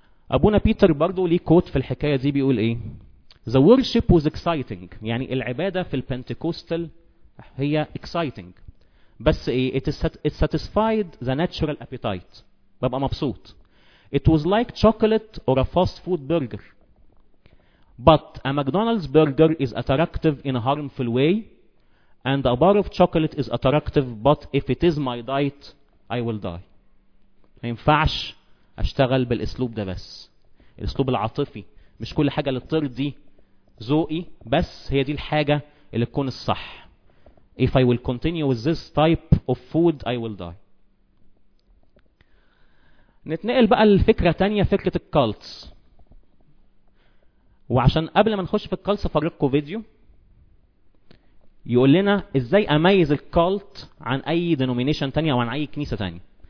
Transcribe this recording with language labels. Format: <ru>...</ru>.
<ar>أبونا بيتر برضو ليه كوت في الحكاية دي بيقول إيه؟</ar> <en>The worship was exciting،</en> <ar>يعني العبادة في البنتيكوستال هي exciting، بس إيه؟</ar> <en>It satisfied the natural appetite،</en> <ar>ببقى مبسوط.</ar> <en>It was like chocolate or a fast food burger، but a McDonald's burger is attractive in a harmful way and a bar of chocolate is attractive but if it is my diet I will die.</en> <ar>ما ينفعش اشتغل بالاسلوب ده، بس الاسلوب العاطفي، مش كل حاجة اللي ترضي ذوقي بس هي دي الحاجة اللي تكون الصح.</ar> <en>If I will continue with this type of food I will die.</en> <ar>نتنقل بقى لفكرة تانية، فكرة الكالتس. وعشان قبل ما نخش في الكالتس افرقكوا فيديو يقول لنا ازاي اميز الكالت عن اي دينومينيشن تانية او عن اي كنيسة تانية.</ar>